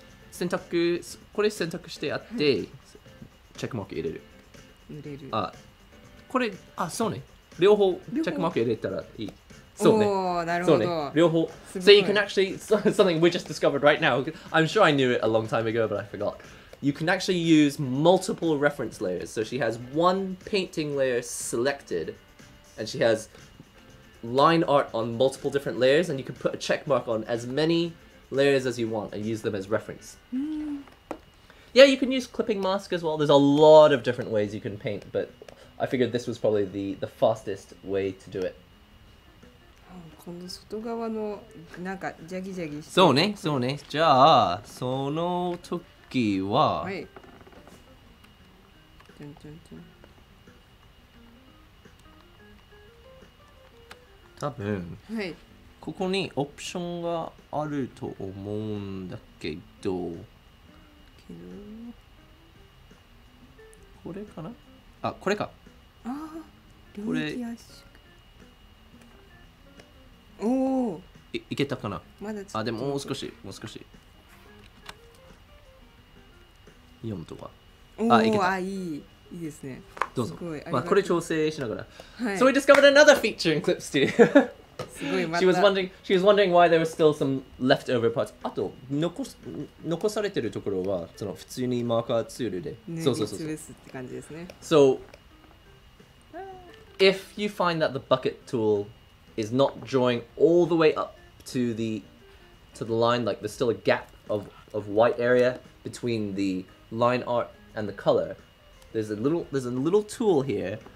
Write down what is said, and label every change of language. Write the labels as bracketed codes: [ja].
[ja] 選択、これ選択してあって、はい、チェックマーク入れる。入れる。あ、これ、あ、そうね。両方チェックマーク入れたらいい。そうね。おー、なるほど。うね。両方。 [en] So you can actually, something we just discovered right now, I'm sure I knew it a long time ago, but I forgot. You can actually use multiple reference layers. So she has one painting layer selected, and she has line art on multiple different layers, and you can put a check mark on as many... layers as you want and use them as reference. Yeah, you can use clipping mask as well. There's a lot of different ways you can paint, but I figured this was probably the fastest way to do it. [ja] この外側のなんかジャギジャギして。そうね、そうね。じゃあその時は。はい。多分。はい。ここにオプションがあると思うんだけど、これかな？あ、これか。ああ、領域圧縮。おお。いけたかな？まだ。あ、でももう少し、もう少し。 4とか。あ、いけた。いい。いいですね。どうぞ。まあ、これ調整しながら。はい。 [en] So we discovered another feature in Clip Studio. She was wondering why there were still some leftover parts. [ja] あと残されてるところはその普通にマーカーツールで、ね、そうそうそう。潰すって感じですね。 [en] So if you find that the bucket tool is not drawing all the way up to the line, like there's still a gap of white area between the line art and the color, there's a little tool here.